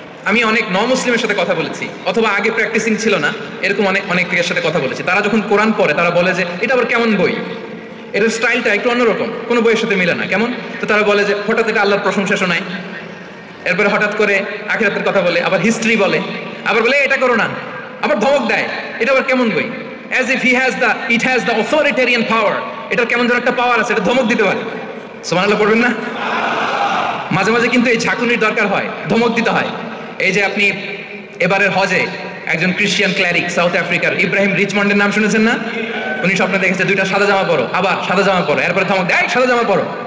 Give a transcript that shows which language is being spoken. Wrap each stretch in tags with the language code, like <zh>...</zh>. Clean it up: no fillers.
<bn>আমি অনেক ন মুসলিমের সাথে কথা বলেছি, অথবা আগে প্র্যাকটিসিং ছিল না এরকম অনেক অনেকের সাথে কথা বলেছি, তারা যখন কোরআন পড়ে তারা বলে যে এটা আবার কেমন বই, এর স্টাইলটা একটু অন্যরকম, কোনো বইয়ের সাথে মিলে না, কেমন? তো তারা বলে যে হঠাৎ এটা আল্লাহর প্রশংসা শোনায়, এরপরে হঠাৎ করে আখিরাতের কথা বলে, আবার হিস্ট্রি বলে, আবার বলে এটা করো না, আবার ধমক দেয়, এটা আবার কেমন বই?</bn> <en>As if it has the authoritarian power.</en> <bn>এটার কেমন ধরনের একটা পাওয়ার আছে, এটা ধমক দিতে পারে। সুবহানাল্লাহ বলবেন না? মাঝে মাঝে কিন্তু এই ঝাঁকুনির দরকার হয়, ধমক দিতে হয়। এই যে আপনি এবারে হজে একজন ক্রিশ্চিয়ান ক্লারিক সাউথ আফ্রিকার ইব্রাহিম রিচমন্ডের নাম শুনেছেন না? উনি স্বপ্নে দেখেছে দুইটা সাদা জামা পরো, আবার সাদা জামা পরো, এরপরে ধমক দেয় সাদা জামা পরো।</bn>